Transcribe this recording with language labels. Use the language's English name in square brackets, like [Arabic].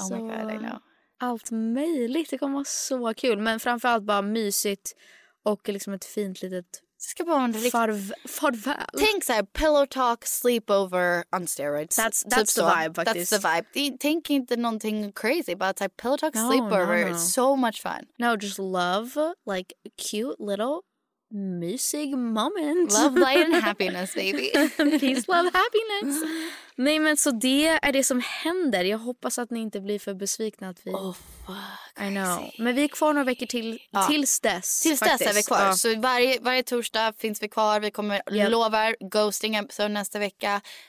[English] Oh my god, I know. [Swedish] Allt möjligt, det kommer vara så kul. Men framförallt bara mysigt och liksom ett fint litet ska bara en farväl. Tänk så här, [English] pillow talk, sleepover on steroids. That's typ the vibe, faktiskt. That's the vibe. [Swedish] Tänk inte någonting [English] crazy, but it's like pillow talk, sleepover. No. It's so much fun. No, just love, like, cute little [Swedish] mysig moment. [English] Love, light and happiness, baby. Peace, love, happiness. [Swedish] Nej, men så det är det som händer. Jag hoppas att ni inte blir för besvikna att vi... [English] Oh, fuck. I know. [Swedish] Men vi är kvar några veckor till, ja, tills dess. Tills faktiskt. Dess är vi kvar. Ja. Så varje torsdag finns vi kvar. Vi kommer, yep, lovar ghosting episode nästa vecka.